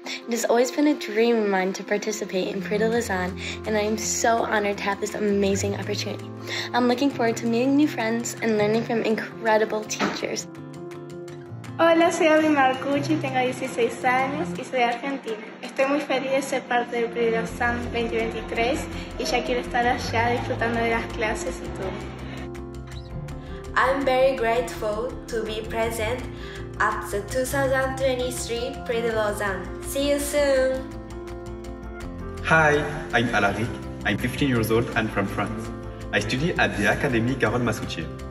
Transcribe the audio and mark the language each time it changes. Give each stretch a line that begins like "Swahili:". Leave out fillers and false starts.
English: It has always been a dream of mine to participate in Prix de Lausanne, and I am so honored to have this amazing opportunity. I'm looking forward to meeting new friends and learning from incredible teachers.
Spanish: Hola, soy Abby Marcucci, tengo 16 años y soy de Argentina. Estoy muy feliz de ser parte del Prix de Lausanne 2023 y ya quiero estar allá disfrutando de las clases y todo.
English: I'm very grateful to be present at the 2023 Prix de Lausanne. See you soon! Hi, I'm Alaric. I'm 15 years old and from France. I study at the Académie Carole Masoutier.